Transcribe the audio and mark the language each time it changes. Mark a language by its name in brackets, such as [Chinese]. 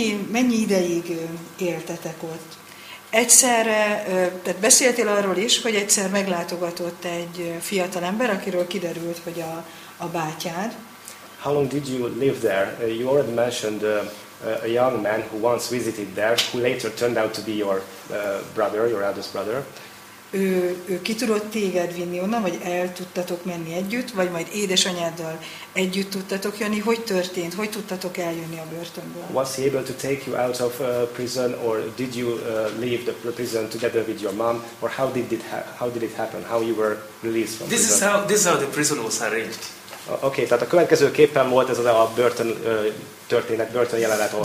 [Hungarian] Mennyi ideig éltetek ott? Egyszerre, tehát beszéltél arról is, hogy egyszer meglátogatott egy fiatal ember, akiről kiderült, hogy a bátyád. [English] How long did you live there? You already mentioned a young man who once visited there, who later turned out to be your brother, your eldest brother. [Hungarian] Ő ki tudott téged vinni onnan, vagy el tudtatok menni együtt, vagy majd édesanyáddal együtt tudtatok jönni? Hogy történt? Hogy tudtatok eljönni a börtönből? [English] Was he able to take you out of prison, or did you leave the prison together with your mom, or how did it happen? How you were released from this prison? This is how the prison was arranged. [Hungarian] Okay, tehát a következő képen volt ez az a börtön történet, börtön jelenet volt.